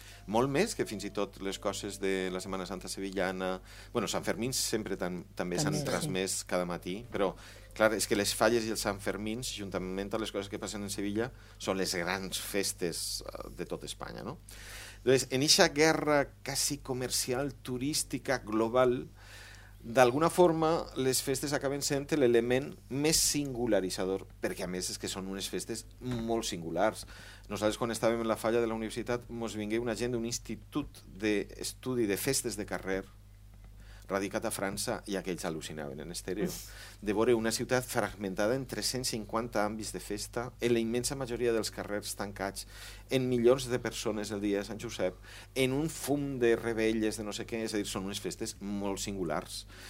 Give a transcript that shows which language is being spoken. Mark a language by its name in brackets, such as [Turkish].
[Catalan] Molt més que fins i tot les coses de la Setmana Santa sevillana... Bueno, Sant Fermín sempre també s'han transmès cada matí, però, clar, és que les falles i els Sant Fermín, juntament amb les coses que passen en Sevilla, són les grans festes de tot Espanya, no? [Spanish] Entonces, en esa guerra casi comercial, turística, global, de alguna forma, las [Catalan] festes acaben [Spanish] siendo el elemento más singularizador, porque a mí es que son unas festes muy singulares. Nosotros, cuando estábamos en la falla de la universidad, nos vingué una gente de un instituto de estudio [Catalan] de festes de carrer, radicat a França, i aquells al·lucinaven en estèreo, de veure una ciutat fragmentada en 350 àmbits de festa, en la immensa majoria dels carrers tancats, en milions de persones el dia de Sant Josep, en un fum de rebelles, de no sé què, és a dir, són unes festes molt singulars.